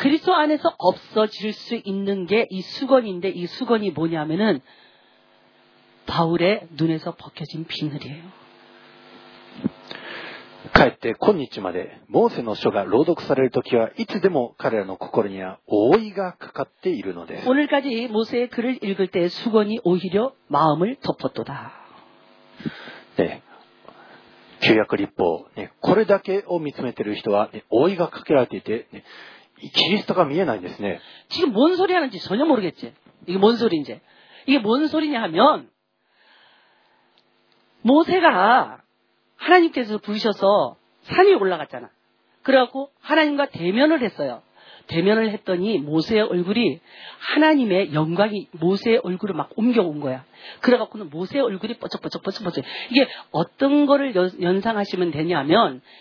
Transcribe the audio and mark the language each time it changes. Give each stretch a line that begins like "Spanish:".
Korean: 그리스도안에서없어질수있는게이수건인데、이수건이뭐냐면은바울의눈에서벗겨진비늘이에요。
Japanese: かえって今日までモーセの書が朗読される時はいつでも彼らの心には覆いがかかっているのです。
Korean: 오늘까지모세의글을읽을때수건이오히려마음을덮었도다。
Japanese: 네、旧約律法、ね、これだけを見つめている人は、ね、覆いがかけられていて、ね、キリストが見えないんですね。
Korean: 지금뭔소리하는지전혀모르겠지。 이게뭔소리인지。 이게뭔소리냐하면모세가하나님께서부르셔서산에올라갔잖아그래갖고하나님과대면을했어요대면을했더니모세의얼굴이하나님의영광이모세의얼굴을막옮겨온거야그래갖고는모세의얼굴이뻐쩍뻐쩍뻐쩍뻐쩍이게어떤거를연상하시면되냐면